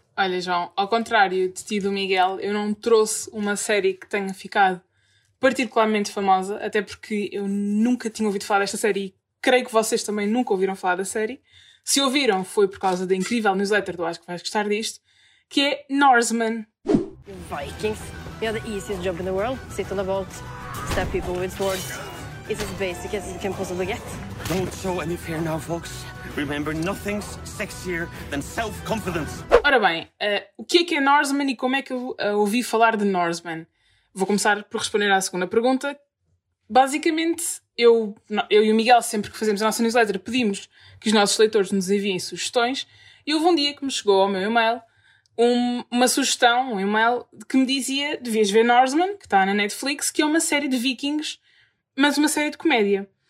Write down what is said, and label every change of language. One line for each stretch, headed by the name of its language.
Portuguese: Olha, João, ao contrário de ti e do Miguel, eu não trouxe uma série que tenha ficado particularmente famosa, até porque eu nunca tinha ouvido falar desta série. Creio que vocês também nunca ouviram falar da série. Se ouviram, foi por causa da incrível newsletter do Acho Que Vais Gostar Disto, que é Norseman.
English: Vikings. They are the easiest job in the world. Sit on a boat, stab people with swords. It's as basic as it can possibly get. Don't show any fear now, folks. Remember, nothing's sexier than self-confidence.
Portuguese: Ora bem, o que é Norseman e como é que eu ouvi falar de Norseman? Vou começar por responder à segunda pergunta. Basicamente, eu e o Miguel, sempre que fazemos a nossa newsletter, pedimos que os nossos leitores nos enviem sugestões, e houve um dia que me chegou ao meu e-mail um e-mail que me dizia: devias ver Norseman, que está na Netflix, que é uma série de vikings, mas uma série de comédia.